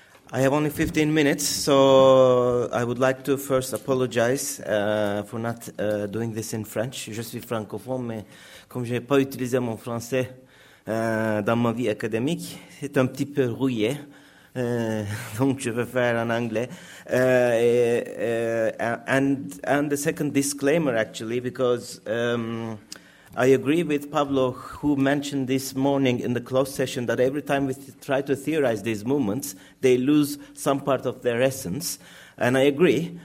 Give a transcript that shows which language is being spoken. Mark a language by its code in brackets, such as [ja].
[en] I have only 15 minutes, so I would like to first apologize for not doing this in French. [fr] Je suis francophone, mais comme je n'ai pas utilisé mon français dans ma vie académique, c'est un petit peu rouillé, donc je vais faire en anglais. [en] And the second disclaimer, actually, because I agree with Pablo, who mentioned this morning in the closed session that every time we try to theorize these movements, they lose some part of their essence. And I agree.